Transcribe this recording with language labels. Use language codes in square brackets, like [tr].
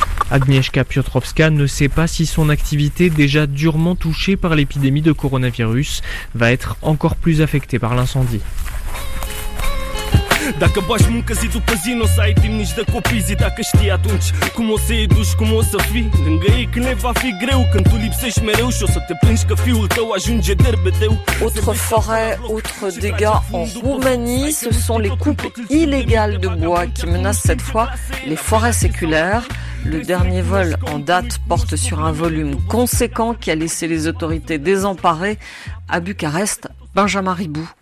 [fr] Agnieszka Piotrowska ne sait pas si son activité, déjà durement touchée par l'épidémie de coronavirus, va être encore plus affectée par l'incendie. [ro] Dacă bași muncă zi după zi, n-o să ai timp nici de copii. Zi dacă știi atunci cum o să-i duci, cum o să fii lângă ei când ne va fi greu, când tu lipsești mereu și o să te plângi că fiul tău ajunge derbedeu. [fr] Autre forêt, autre dégât en Roumanie, ce sont les coupes illégales de bois qui menacent cette fois les forêts séculaires. Le dernier vol en date porte sur un volume conséquent qui a laissé les autorités désemparées à Bucarest, Benjamin Ribou.